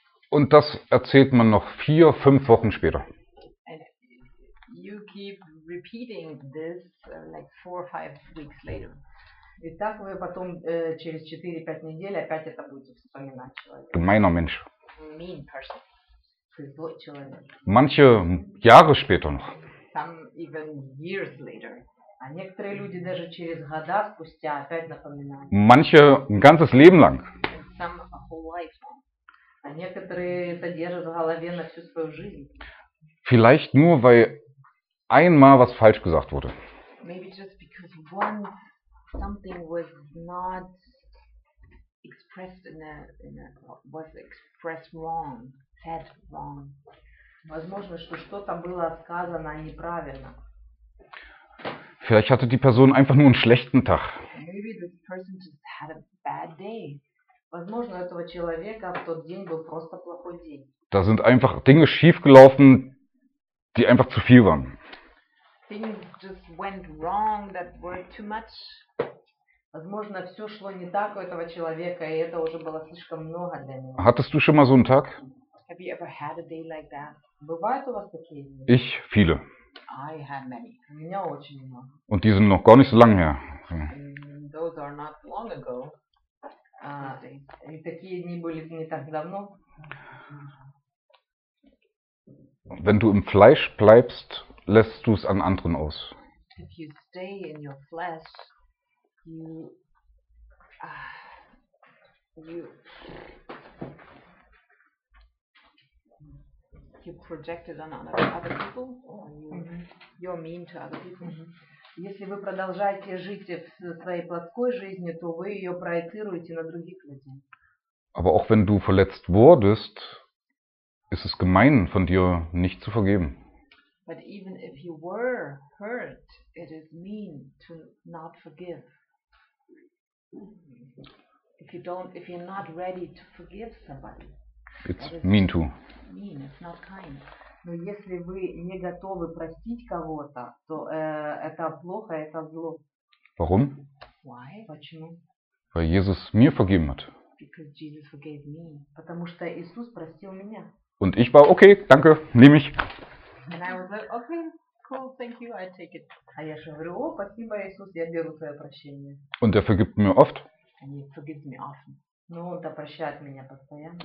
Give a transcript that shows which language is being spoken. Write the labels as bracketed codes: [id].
[de] Und das erzählt man noch 4-5 Wochen später. [en] You keep repeating this like 4-5 weeks later. [ru] И так вы потом через 4-5 недель опять это будете вспоминать человека. [de] Gemeiner Mensch. [en] Mean person. [ru] Злой человек. [de] Manche Jahre später noch. [en] Some even years later. [ru] А некоторые люди даже через года спустя опять напоминают. [de] Manche ein ganzes Leben lang. [en] Some a whole life long. [ru] А некоторые это держат в голове на всю свою жизнь. [de] Vielleicht nur, weil einmal was falsch gesagt wurde. [en] Maybe just because one something was not expressed was expressed wrong, said wrong. [ru] Возможно, что что-то было сказано неправильно. [de] Vielleicht hatte die Person einfach nur einen schlechten Tag. [en] Maybe this person just had a bad day. [ru] Возможно, этого человека в тот день был просто плохой день. [de] Da sind einfach Dinge schiefgelaufen, die einfach zu viel waren. [en] Things just went wrong that were too much. [ru] Возможно, все шло не так у этого человека, и это уже было слишком много для него. [de] Hattest du schon mal so einen Tag? [en] Have you ever had a day like that? [ru] Бывают у вас такие дни? [de] Ich, viele. [en] I have many. [ru] У меня очень много. [de] Und die sind noch gar nicht so lange her. [en] Those are not long ago. [ru] И такие дни были не так давно. [de] Wenn du im Fleisch bleibst, lässt du es an anderen aus. [en] If you stay in your flesh, you project it on other people, or you're mean to other people. Mm-hmm. [ru] Если вы продолжаете жить в своей плотской жизни, то вы ее проецируете на других людей. [de] Aber auch wenn du verletzt wurdest, ist es gemein, von dir nicht zu vergeben. [en] But even if you were hurt, it is mean to not forgive. If you're not ready to forgive somebody, it's mean to. Mean, it's not kind. [ru] Но если вы не готовы простить кого-то, то это плохо, это зло. [de] Warum? [en] Why? [ru] Почему? [de] Weil Jesus mir vergeben hat. [en] Because Jesus forgave me. [ru] Потому что Иисус простил меня. [de] Und ich war okay, danke, nehme ich. [en] And I was like, okay, cool, thank you, I take it. [ru] А я же говорю, о, спасибо, Иисус, я беру твое прощение. [de] Und er vergibt mir oft. [en] And he forgives me often. [ru] Ну, он прощает меня постоянно.